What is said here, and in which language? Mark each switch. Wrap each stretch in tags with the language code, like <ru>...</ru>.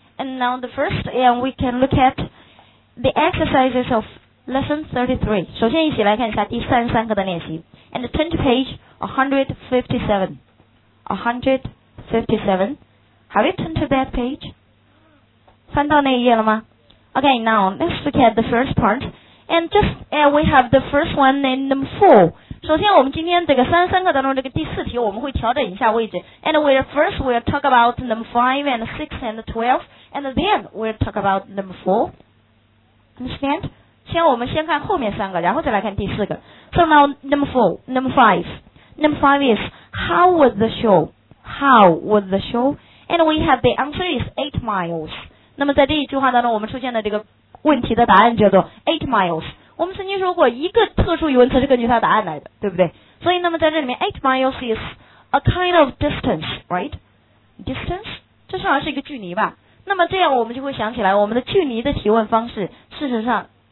<en>And now the first, and we can look at the exercises of lesson 33.</en> <zh>首先一起来看一下第三十三课的练习。</zh> <en>And turn to page 157. Have you turned to that page?</en> <zh>翻到那一页了吗？</zh> <en>Okay, now let's look at the first part. And just, we have the first one in number 4.</en> <zh>首先我们今天这个三十三课当中这个第四题我们会调整一下位置</zh> <en>And first we'll talk about number 5 and 6 and 12 And then we'll talk about number 4 Understand?</en> <zh>先我们先看后面三个然后再来看第四个</zh> <en>So now number 4, number 5 Number 5 is How was the show? How was the show? And we have the answer is 8 miles</en> <zh>那么在这一句话当中我们出现的这个问题的答案叫做 8 miles我们曾经说过一个特殊疑问词是根据它答案来的对不对所以那么在这里面</zh> <en>8 miles is a kind of distance right distance</en> <zh>这上是一个距离吧那么这样我们就会想起来我们的距离的提问方式事实上</zh>